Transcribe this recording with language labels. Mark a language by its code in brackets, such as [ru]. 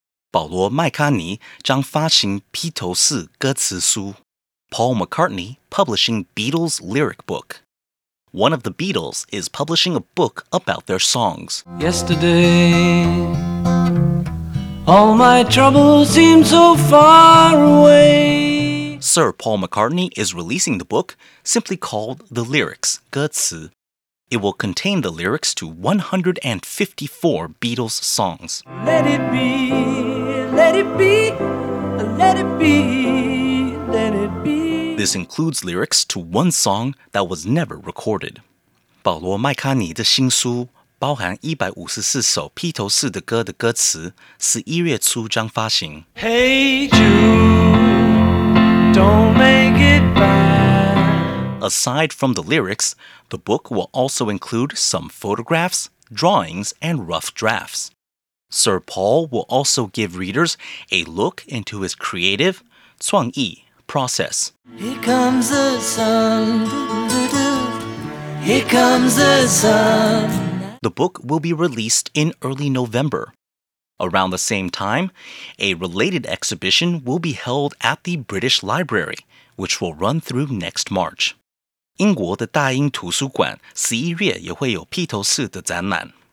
[zh] 保罗·麦卡尼将发行披头士歌词书。 [en] Paul McCartney publishing Beatles lyric book. One of the Beatles is publishing a book about their songs. Yesterday... All my troubles seem so far away. Sir Paul McCartney is releasing the book, simply called The Lyrics, 歌词. It will contain the lyrics to 154 Beatles songs. Let it be, let it be, let it be, let it be. This includes lyrics to one song that was never recorded. [zh] 保罗·麦卡尼的新书包含154首披头士的歌的歌词，11月初将发行。 [en] Hey Jude, don't make it bad. Aside from the lyrics, the book will also include some photographs, drawings, and rough drafts. Sir Paul will also give readers a look into his creative, 创意, process. Here comes the sun, here comes the sun. The book will be released in early November. Around the same time, a related exhibition will be held at the British Library, which will run through next March. [zh] 英国的大英图书馆11月也会有披头士的展览。